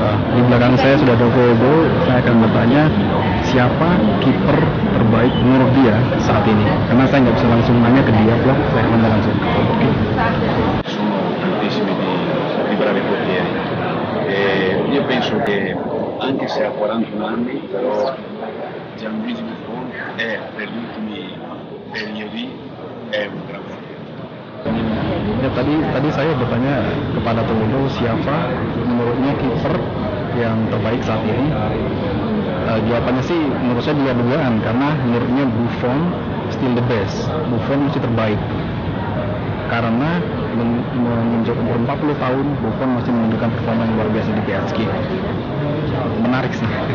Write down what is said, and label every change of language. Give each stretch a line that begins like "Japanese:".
Indonesian: Di belakang saya sudah ada Robo. Saya akan bertanya siapa kiper terbaik menurut dia saat ini, karena saya nggak bisa langsung nanya ke dia lah, saya akan langsung ke Robo.
Italian: Sono tantissimi di bravi portieri. Io penso che anche se ha 41 anni, però Gianluigi Buffon è per gli ultimi periodi è un gran portiere.
Indonesian: Ya, tadi saya bertanya kepada Tomodo siapa menurutnya kiper yang terbaik saat ini. Jawabannya sih menurut saya dua-duaan, karena menurutnya Buffon
English: still the best.
Indonesian: Buffon masih terbaik. Karena menginjak umur 40 tahun, Buffon masih menunjukkan performa yang luar biasa di PSG. Menarik sih.